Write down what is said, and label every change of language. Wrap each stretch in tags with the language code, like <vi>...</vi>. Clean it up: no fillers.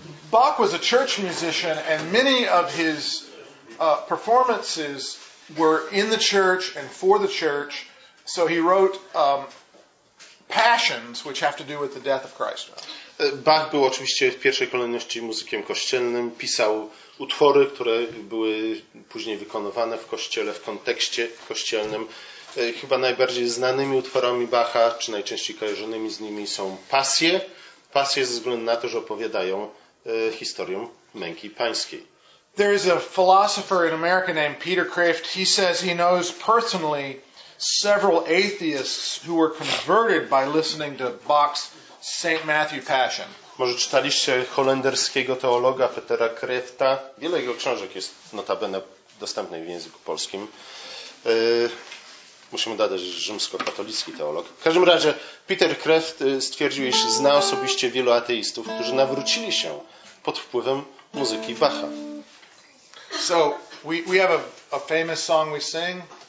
<en>Bach was a church musician, and many of his performances were in the church and for the church. So he wrote passions, which have to do with the death of Christ.</en> <pl>Bach był oczywiście w pierwszej kolejności muzykiem kościelnym. Pisał utwory, które były później wykonywane w kościele, w kontekście kościelnym. Chyba najbardziej znanymi utworami Bacha, czy najczęściej kojarzonymi z nimi, są pasje. Pasje ze względu na to, że opowiadają historią męki pańskiej.</pl> <en>There is a philosopher in America named Peter Kraft. He says he knows personally several atheists who were converted by listening to Bach's St. Matthew Passion.</en> <pl>Może czytaliście holenderskiego teologa Petera Krafta? Wiele jego książek jest notabene dostępnych w języku polskim. Musimy dodać, że rzymskokatolicki teolog. W każdym razie Peter Kraft stwierdził, iż zna osobiście wielu ateistów, którzy nawrócili się pod wpływem muzyki Bacha.</pl> <en>So we have a famous song we sing.</en>